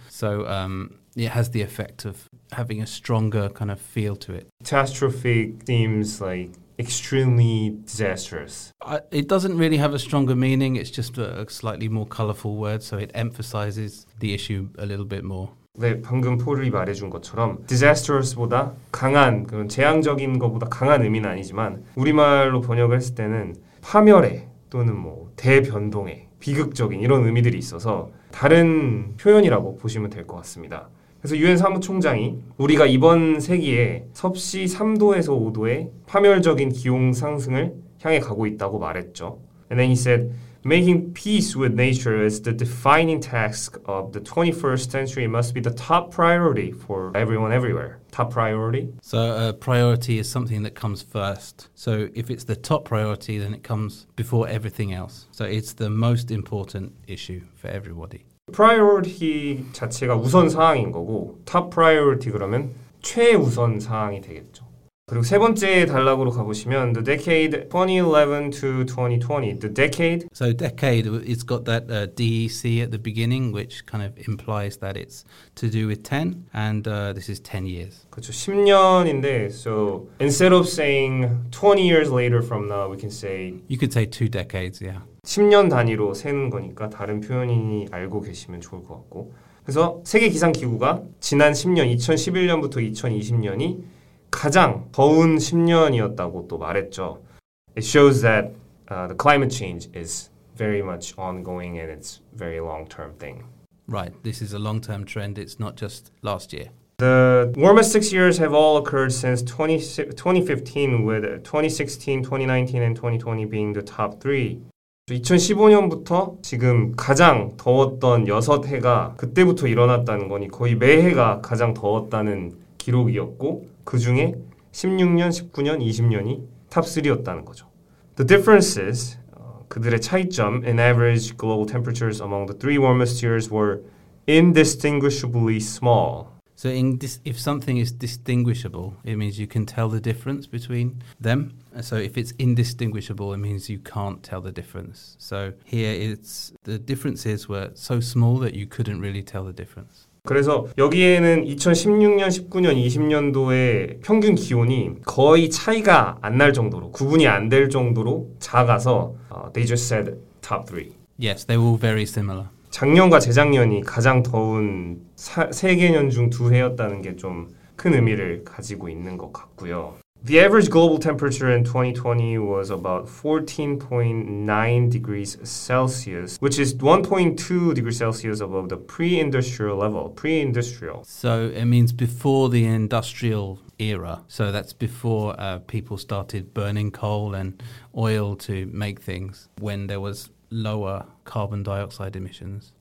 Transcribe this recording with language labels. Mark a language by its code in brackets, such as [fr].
[en] So it has the effect of having a stronger kind of feel to it. Catastrophic seems like extremely disastrous. It doesn't really have a stronger meaning. It's just a slightly more colorful word, so it emphasizes the issue a little bit more. [ko] 네, 방금 폴이 말해준 것처럼 disastrous보다 강한, 그런 재앙적인 것보다 강한 의미는 아니지만 우리말로 번역을 했을 때는 파멸의 또는 뭐 대변동의 비극적인 이런 의미들이 있어서 다른 표현이라고 보시면 될 것 같습니다. 그래서 UN 사무총장이 우리가 이번 세기에 섭씨 3도에서 5도의 파멸적인 기온 상승을 향해 가고 있다고 말했죠. [en] And then he said, making peace with nature is the defining task of the 21st century. It must be the top priority for everyone everywhere. Top priority? So a priority is something that comes first. So if it's the top priority, then it comes before everything else. So it's the most important issue for everybody. [ko] Priority 자체가 우선 사항인 거고 top priority 그러면 최우선 사항이 되겠죠. 그리고 세 번째 단락으로 가보시면 [en] the decade 2011 to 2020 the decade. So decade, it's got that DEC at the beginning, which kind of implies that it's to do with 10, and this is 10 years. [ko] 그렇죠, 10년인데, [en] so instead of saying 20 years later from now, we can say you could say two decades, yeah. [ko] 10년 단위로 세는 거니까 다른 표현이 알고 계시면 좋을 것 같고 그래서 세계기상기구가 지난 10년, 2011년부터 2020년이 가장 더운 10년이었다고 또 말했죠. [en] It shows that the climate change is very much ongoing and it's very long-term thing. Right, this is a long-term trend. It's not just last year. The warmest 6 years have all occurred since 2015 with 2016, 2019, and 2020 being the top three. [ko] 2015년부터 지금 가장 더웠던 여섯 해가 그때부터 일어났다는 거니 거의 매 해가 가장 더웠다는 기록이었고 그 중에 16년, 19년, 20년이 탑3였다는 거죠. [en] The differences, [ko] 그들의 차이점 [en] in average global temperatures among the three warmest years were indistinguishably small. So if something is distinguishable, it means you can tell the difference between them. So if it's indistinguishable, it means you can't tell the difference. So here it's the differences were so small that you couldn't really tell the difference. [ko] 그래서 여기에는 2016년, 19년, 20년도의 평균 기온이 거의 차이가 안 날 정도로, 구분이 안 될 정도로 작아서 [en] they just said top three. Yes, they were very similar. [ko] 작년과 재작년이 가장 더운 세계년 중 두 해였다는 게 좀 큰 의미를 가지고 있는 것 같고요. [en] The average global temperature in 2020 was about 14.9 degrees Celsius, which is 1.2 degrees Celsius above the pre-industrial level, pre-industrial. So it means before the industrial era. So that's before people started burning coal and oil to make things, when there was lower carbon dioxide emissions.